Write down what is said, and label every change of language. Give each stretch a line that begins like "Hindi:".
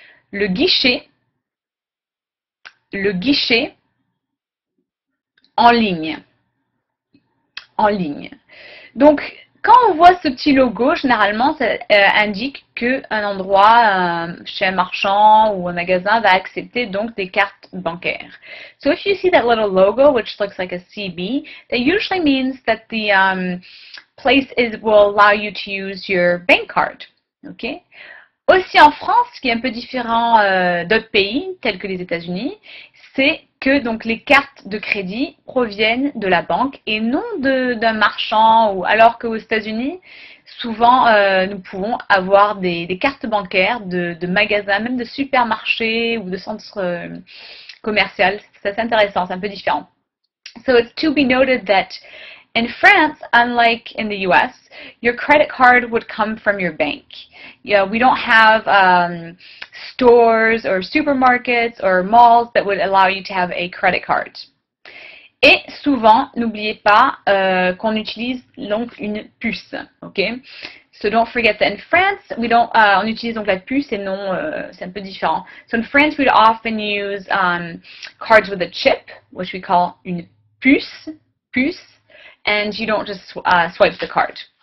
French: Le guichet. Le guichet. En ligne. En ligne. Donc, quand on voit ce petit logo, généralement, ça indique qu'un endroit, chez un marchand ou un magasin, va accepter donc des cartes bancaires.
English: So if you see that little logo, which looks like a CB, that usually means that the place will allow you to use your bank card. Okay?
French: Aussi en France, ce qui est un peu différent d'autres pays, tels que les États-Unis, c'est que donc les cartes de crédit proviennent de la banque et non d'un marchand, ou alors qu'aux États-Unis, souvent nous pouvons avoir des cartes bancaires de magasins, même de supermarchés ou de centres commerciaux. C'est intéressant, c'est un peu différent.
English: So it's to be noted that in France, unlike in the US, your credit card would come from your bank. Yeah, we don't have stores or supermarkets or malls that would allow you to have a credit card.
French: Et souvent, n'oubliez pas qu'on utilise donc une puce, okay?
English: So don't forget that in France,
French: on utilise donc la puce et non, c'est un peu différent.
English: So in France, we'd often use cards with a chip, which we call une puce. And you don't just swipe the card.